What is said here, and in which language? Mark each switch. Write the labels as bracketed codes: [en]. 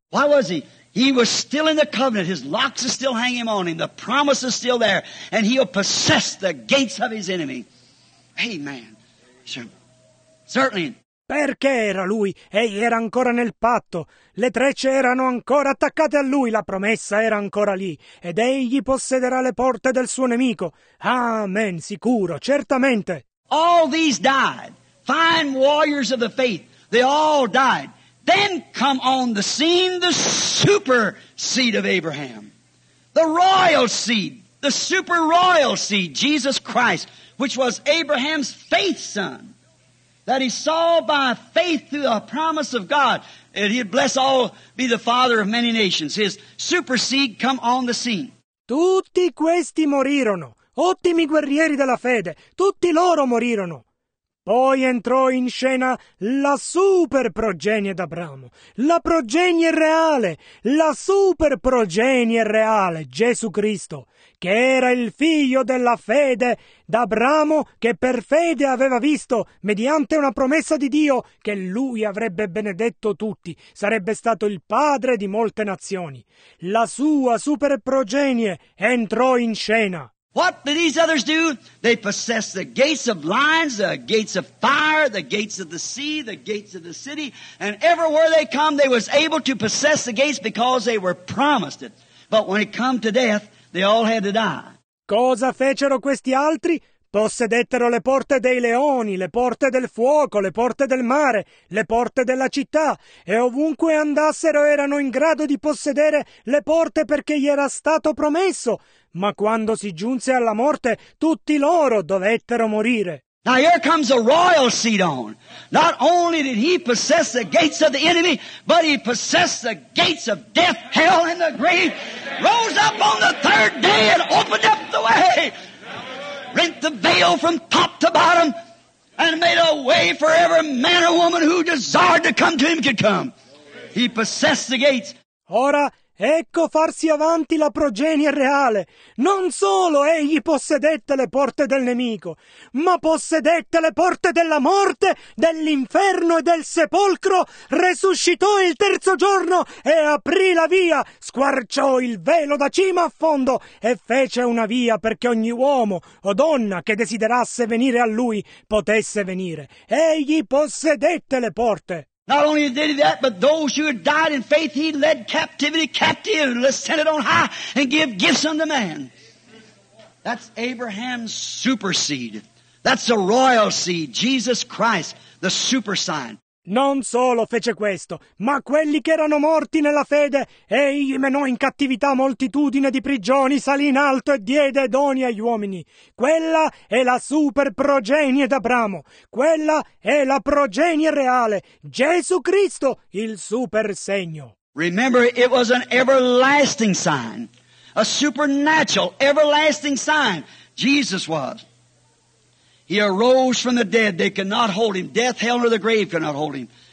[en] Why was he? He was still in the covenant. His locks are still hanging on him. The promise is still there. And he'll possess the gates of his enemy. Amen. Certainly. [it] Perché era lui? Egli era ancora nel patto. Le trecce erano ancora attaccate a lui, la promessa era ancora lì. Ed egli possederà le porte del suo nemico. Amen, sicuro, certamente. [en] All these died. Fine warriors of the faith. They all died. Then come on the scene the super seed of Abraham. The royal seed. The super royal seed, Jesus Christ, which was Abraham's faith son. That he saw by faith through the promise of God, and he'd bless all, be the father of many nations. His super seed come on the scene. [it] Tutti questi morirono, ottimi guerrieri della fede, tutti loro morirono. Poi entrò in scena la super progenie d'Abramo, la progenie reale, la super progenie reale, Gesù Cristo, che era il figlio della fede d'Abramo, che per fede aveva visto, mediante una promessa di Dio, che lui avrebbe benedetto tutti, sarebbe stato il padre di molte nazioni. La sua super progenie entrò in scena. [en] What did these others do? They possessed the gates of lions, the gates of fire, the gates of the sea, the gates of the city, and everywhere they come, they was able to possess the gates because they were promised it. But when it come to death, they all had to die. [it] Cosa fecero questi altri? Possedettero le porte dei leoni, le porte del fuoco, le porte del mare, le porte della città, e ovunque andassero erano in grado di possedere le porte perché gli era stato promesso. Ma quando si giunse alla morte, tutti loro dovettero morire. [en] Now here comes a royal seed on. Not only did he possess the gates of the enemy, but he possessed the gates of death, hell and the grave. Rose up on the third day and opened up the way. Rent the veil from top to bottom and made a way for every man or woman who desired to come to him could come. He possessed the gates. [it] Ora, ecco farsi avanti la progenie reale. Non solo egli possedette le porte del nemico, ma possedette le porte della morte, dell'inferno e del sepolcro, resuscitò il terzo giorno e aprì la via, squarciò il velo da cima a fondo e fece una via perché ogni uomo o donna che desiderasse venire a lui potesse venire. Egli possedette le porte. [en] Not only did he that, but those who had died in faith, he led captivity captive and ascended on high and give gifts unto man. That's Abraham's super seed. That's the royal seed, Jesus Christ, the super sign. [it] Non solo fece questo, ma quelli che erano morti nella fede, egli menò in cattività moltitudine di prigioni, salì in alto e diede doni agli uomini. Quella è la super progenie d'Abramo, quella è la progenie reale, Gesù Cristo, il super segno. [en] Remember, it was an everlasting sign, a supernatural, everlasting sign, Jesus was. He arose from the dead. They could not hold him. Death, hell, or the grave could not hold him.